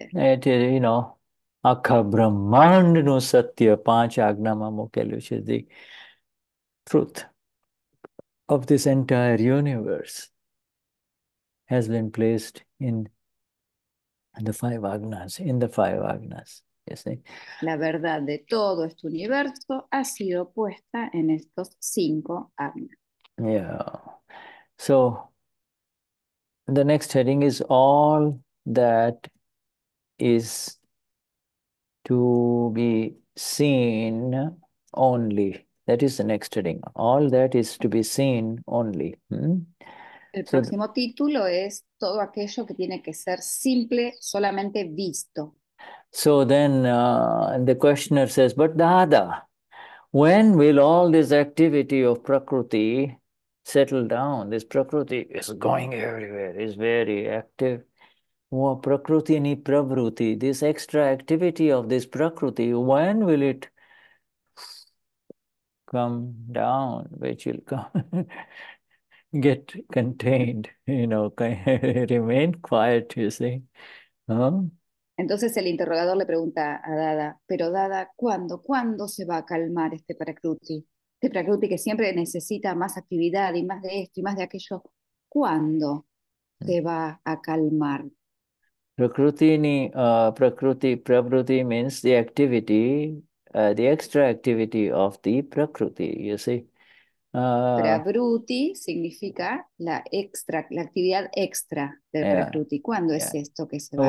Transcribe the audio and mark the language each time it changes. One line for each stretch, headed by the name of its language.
English: Means, you know,
Gujarati: akha brahmand nu satya panch agna mamo kelu che,
English: the truth of this entire universe has been placed in the five agnas.
Spanish: La verdad de todo este universo ha sido puesta en estos cinco agnas.
English: Yeah. So, the next heading is all that is to be seen only. That is the next heading. All that is to be seen only. Hmm?
Spanish: El próximo título es todo aquello que tiene que ser simple, solamente visto.
English: So then the questioner says, but Dada, when will all this activity of prakriti settle down? This prakriti is going everywhere, is very active. Oh,
Gujarati: prakriti ni pravruti,
English: this extra activity of this prakriti, when will it come down, which will come get contained, you know, remain quiet, you see. Huh?
Spanish: Entonces el interrogador le pregunta a Dada, pero Dada, ¿cuándo se va a calmar este prakruti? de Prakruti, que siempre necesita más actividad y más de esto y más de aquello, ¿cuándo se va a calmar?
Gujarati: Prakruti ni prakruti prabruti
English: means the activity, the extra activity of the prakruti, you see.
Spanish: Prabruti significa la extra, la actividad extra del prakruti. ¿Cuándo es esto que se va